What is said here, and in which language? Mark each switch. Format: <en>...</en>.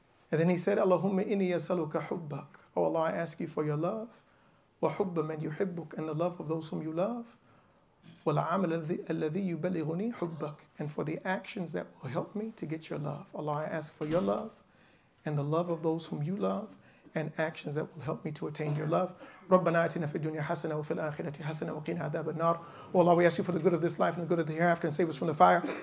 <en>And then he said,</en> <ar>Allahumma inni as'aluka hubbak.</ar> <en>Oh Allah, I ask you for your love.</en> <ar>Wa hubba man yuhibbuk,</ar> <en>and the love of those whom you love.</en> <ar>Wa la'amal alladhi yubalighuni hubbak,</ar> <en>and for the actions that will help me to get your love. Allah, I ask for your love and the love of those whom you love, and actions that will help me to attain your love.</en> <ar>ربنا آتنا في الدنيا حسنة وفي الآخرة حسنة وقنا عذاب النار.</ar> <en>Oh Allah, we ask you for the good of this life and the good of the hereafter, and save us from the fire.</en>